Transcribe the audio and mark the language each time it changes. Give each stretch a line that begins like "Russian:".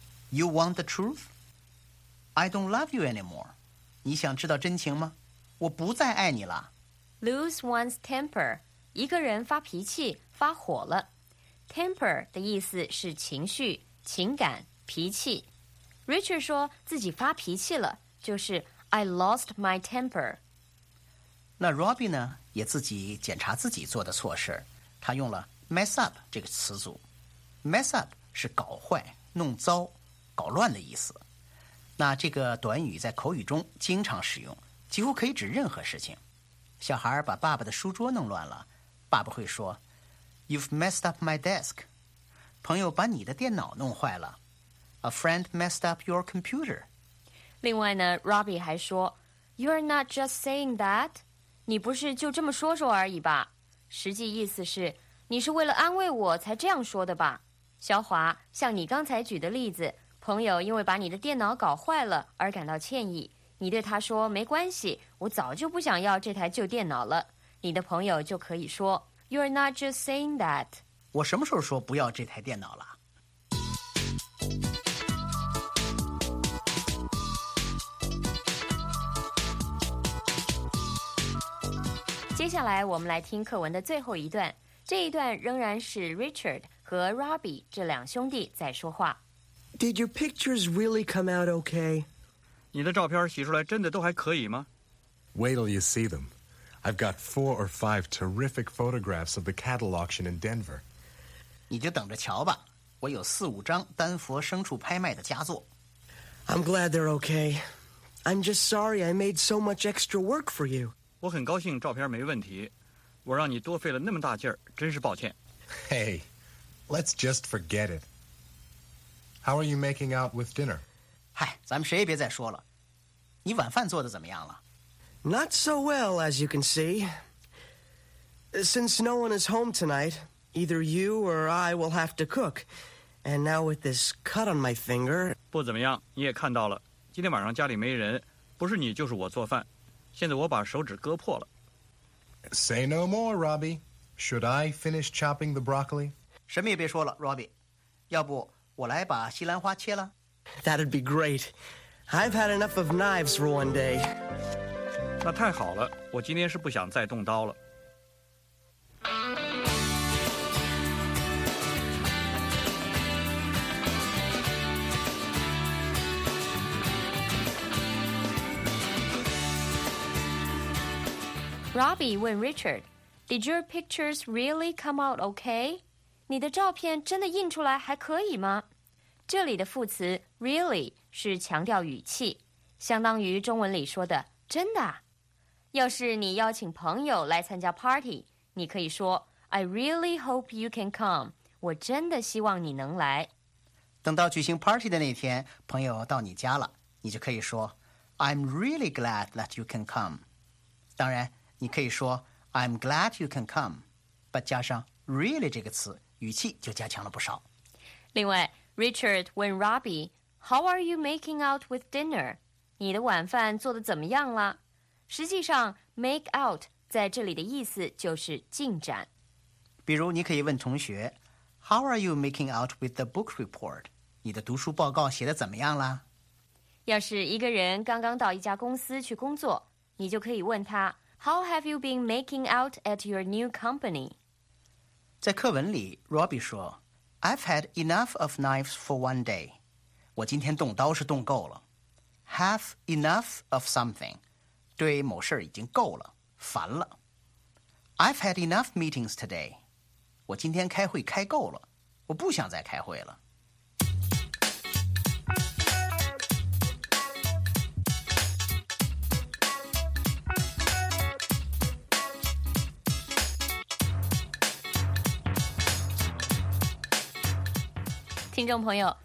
English: You want the truth? I don't love you anymore.
Chinese: 你想知道真情吗？我不再爱你了。 Lose one's temper. 一个人发脾气，发火了。 Temper 的意思是情绪、情感、脾气。 Richard 说自己发脾气了，就是 I lost my temper. 那 Robbie 呢，也自己检查自己做的错事，他用了 mess up 这个词组。 Mess up 是搞坏、弄糟、搞乱的意思。那这个短语在口语中经常使用，几乎可以指任何事情。小孩把爸爸的书桌弄乱了，爸爸会说 You've messed up my desk. 朋友把你的电脑弄坏了， A friend messed up your computer.
English: 另外呢， Robbie 还说 You are not just saying that.
Chinese: 你不是就这么说说而已吧，实际意思是你是为了安慰我才这样说的吧。小华，像你刚才举的例子，朋友因为把你的电脑搞坏了而感到歉意，你对他说没关系，我早就不想要这台旧电脑了，你的朋友就可以说 You're not just saying that. 我什么时候说不要这台电脑了？接下来我们来听课文的最后一段，这一段仍然是 Richard 和 Robbie 这两兄弟在说话。
English: Did your pictures really come out okay?
Chinese: 你的照片洗出来真的都还可以吗？
English: Wait till you see them. I've got 4 or 5 terrific photographs of the cattle auction in Denver.
Chinese: 你就等着瞧吧，我有4-5张丹佛牲畜拍卖的佳作。
English: I'm glad they're okay. I'm just sorry I made so much extra work for you.
Chinese: 我很高兴照片没问题，我让你多费了那么大劲儿，真是抱歉。
English: Hey, let's just forget it. How are you making out with dinner?
Chinese: 嗨，咱们谁也别再说了。你晚饭做得怎么样了？
English: Not so well, as you can see. Since no one is home tonight, either you or I will have to cook. And now with this cut on my finger...
Chinese: 不怎么样，你也看到了。今天晚上家里没人，不是你就是我做饭。现在我把手指割破了。
English: Say no more, Robbie. Should I finish chopping the broccoli?
Chinese: 什么也别说了，Robbie。要不我来把西兰花切了。
English: That'd be great. I've had enough of knives for one day.
Chinese: 那太好了，我今天是不想再动刀了。
English: Robbie 问 Richard, Did your pictures really come out okay?
Chinese: 你的照片真的印出来还可以吗？这里的副词 really 是强调语气，相当于中文里说的真的。要是你邀请朋友来参加 party， 你可以说 I really hope you can come，我真的希望你能来。等到举行 party 的那天，朋友到你家了，你就可以说 I'm really glad that you can come。当然你可以说 I'm glad you can come， but 加上 really 这个词，语气就加强了不少。
English: 另外，Richard 问 Robbie， "How are you making out with dinner?"
Chinese: 你的晚饭做得怎么样了？实际上 ，make out 在这里的意思就是进展。
English: 比如，你可以问同学，"How are you making out with the book report?"
Chinese: 你的读书报告写得怎么样了？要是一个人刚刚到一家公司去工作，你就可以问他 ， "How have you been making out at your new company?"
English: 在课文里，Robbie 说，I've had enough of knives for one day。
Chinese: 我今天动刀是动够了。 Have enough of something，对某事已经够了，烦了。
English: I've had enough meetings today。
Chinese: 我今天开会开够了，我不想再开会了。听众朋友，